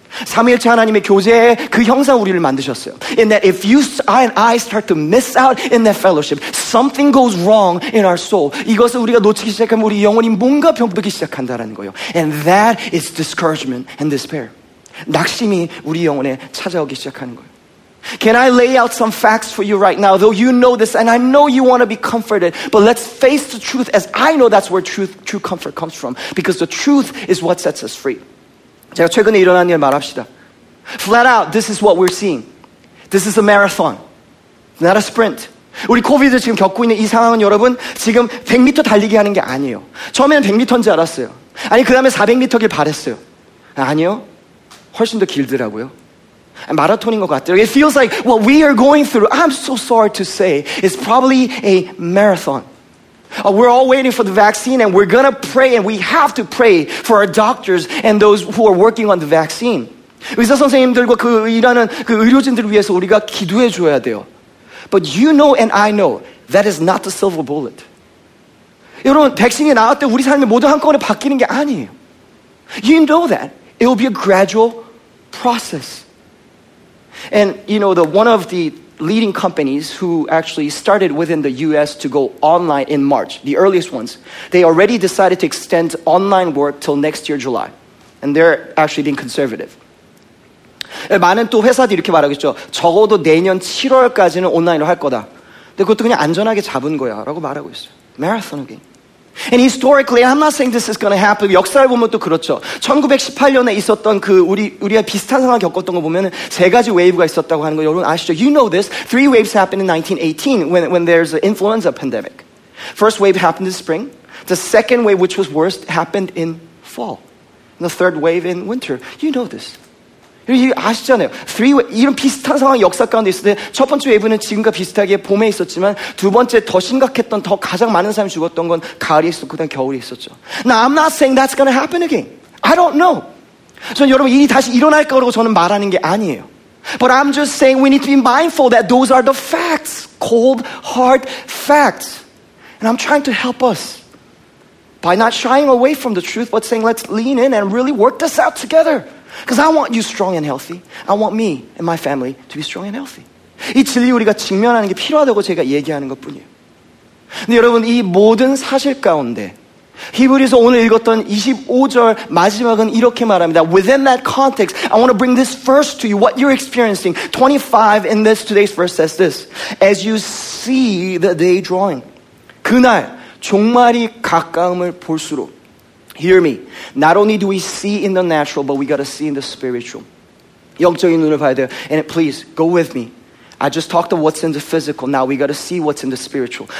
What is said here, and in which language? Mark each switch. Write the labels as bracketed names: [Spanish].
[Korean] 삼위일체 하나님의 교제의 그 형상 우리를 만드셨어요. [English] In that if you and I start to miss out in that fellowship, something goes wrong in our soul. [Korean] 이것을 우리가 놓치기 시작하면 우리 영혼이 뭔가 병들기 시작한다라는 거예요. [English] And that is discouragement and despair. [Korean] 낙심이 우리 영혼에 찾아오기 시작하는 거예요. [English] Can I lay out some facts for you right now? Though you know this, and I know you want to be comforted, but let's face the truth as I know that's where true comfort comes from. Because the truth is what sets us free. [Korean] 제가 최근에 일어난 일 말합시다. [English] Flat out, this is what we're seeing. This is a marathon, not a sprint. [Korean] 우리 코비드 지금 겪고 있는 이 상황은 여러분, 지금 100m 달리기 하는 게 아니에요. 처음에는 100m인 줄 알았어요. 아니, 그 다음에 400m길 바랬어요. 아니요, 훨씬 더 길더라고요. 마라톤인 것 같아요. [English] It feels like what we are going through, I'm so sorry to say, is probably a marathon. We're all waiting for the vaccine and we're gonna pray and we have to pray for our doctors and those who are working on the vaccine. [Korean] 의사 선생님들과 그 일하는 그 의료진들을 위해서 우리가 기도해 줘야 돼요. [English] But you know and I know that is not the silver bullet. [Korean] 여러분, 백신이 나왔을 때 우리 삶이 모두 한꺼번에 바뀌는 게 아니에요. [English] You know that. It will be a gradual process. And, you know, one of the leading companies who actually started within the U.S. to go online in March, the earliest ones, they already decided to extend online work till next year, July. And they're actually being conservative. [Korean] 많은 또 회사들이 이렇게 말하겠죠. 적어도 내년 7월까지는 온라인으로 할 거다. 근데 그것도 그냥 안전하게 잡은 거야 라고 말하고 있어요. [English] Marathon again. And historically, I'm not saying this is going to happen. [Korean] 역사를 보면 또 그렇죠. 1918년에 있었던 그 우리가 비슷한 상황을 겪었던 거 보면 세 가지 웨이브가 있었다고 하는 거 여러분 아시죠? [English] You know this. Three waves happened in 1918 when there's an influenza pandemic. First wave happened in spring. The second wave, which was worst, happened in fall. And the third wave in winter. You know this. [Korean] 아시잖아요. 이런 비슷한 상황이 역사 가운데 있을 때 첫 번째 웨이브는 지금과 비슷하게 봄에 있었지만 두 번째 더 심각했던 더 가장 많은 사람이 죽었던 건 가을이 있었고 그다음 겨울이 있었죠. [English] Now I'm not saying that's going to happen again. I don't know. [Korean] 저는 여러분 일이 다시 일어날 거라고 저는 말하는 게 아니에요. [English] But I'm just saying we need to be mindful that those are the facts. Cold, hard facts. And I'm trying to help us by not shying away from the truth but saying let's lean in and really work this out together. Because I want you strong and healthy. I want me and my family to be strong and healthy. [Korean] 이 진리 우리가 직면하는 게 필요하다고 제가 얘기하는 것뿐이에요. 근데 여러분 이 모든 사실 가운데 히브리서 오늘 읽었던 25절 마지막은 이렇게 말합니다. [English] Within that context, I want to bring this verse to you, what you're experiencing. 25 in this today's verse says this. As you see the day drawing. [Korean] 그날 종말이 가까움을 볼수록. [English] Hear me. Not only do we see in the natural, but we got to see in the spiritual. [Korean] 영적인 눈을 봐야 돼요. [English] And please, go with me. I just talked about what's in the physical. Now we got to see what's in the spiritual.